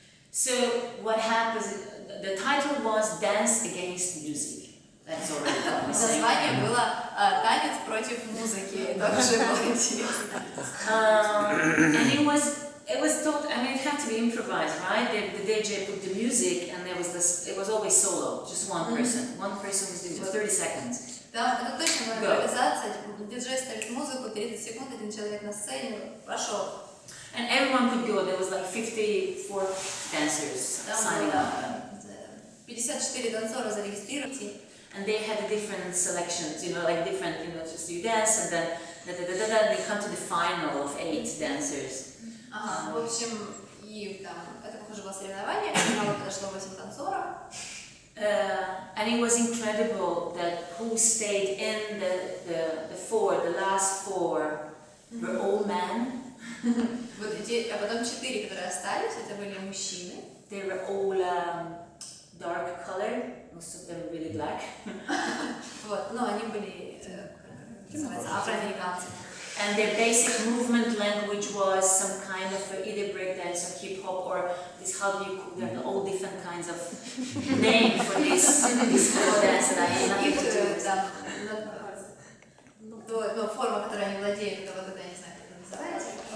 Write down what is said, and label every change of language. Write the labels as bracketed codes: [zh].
[en] So what happens, the title was Dance Against Music. [ru] Название было «Танец против музыки». Также было интересно. [en] And it was thought, I mean, it had to be improvised, right? The DJ put the music, and there was this. It was always solo, just one person. One person was doing it for 30 seconds. [ru] Да, это точно была импровизация. Диджей ставит музыку, 30 секунд, один человек на сцене, пошел. [en] And everyone could go. There was like 54 dancers signing up. [ru] 54 танцора зарегистрировались. [en] And they had different selections, you know, like different, you know, just you dance, and then da-da-da-da-da, they come to the final of 8 dancers. [ru] В общем, и там, это похоже было соревнование, и там подошло 8 танцоров. [en] And it was incredible that who stayed in the last four, were all men. [ru] Вот эти, а потом 4, которые остались, это были мужчины. [en] They were all dark color. Most of them really black. [ru] Вот, но они были афроамериканцы. [en] And their basic movement language was some kind of either breakdance or hip hop or this how do you call them, all different kinds of name for this floor dance that I am not able to. [ru] Да, но форма, которой они владеют, это вот это, я не знаю, как это называется.